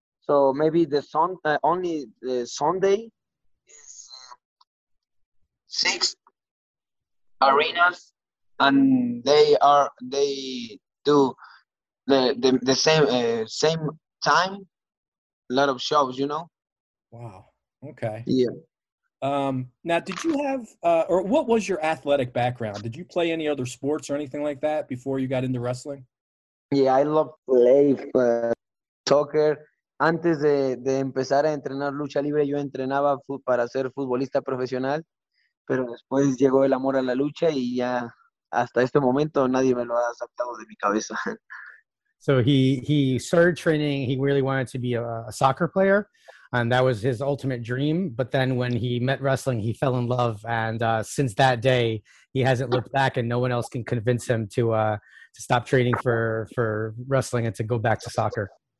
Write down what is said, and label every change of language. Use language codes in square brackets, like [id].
[en] So maybe the Sunday is six arenas, and they do the same time, a lot of shows, you know. Wow. Okay. Yeah. Now, did you have, or what was your athletic background? Did you play any other sports or anything like that before you got into wrestling? Yeah, I love play soccer. [es] Antes de empezar a entrenar lucha libre, yo entrenaba para ser futbolista profesional. Pero después llegó el amor a la lucha y ya hasta este momento nadie me lo ha sacado de mi cabeza. [en] So he started training. He really wanted to be a soccer player. And that was his ultimate dream. But then when he met wrestling, he fell in love. And since that day, he hasn't looked back, and no one else can convince him to stop training for wrestling and to go back to soccer.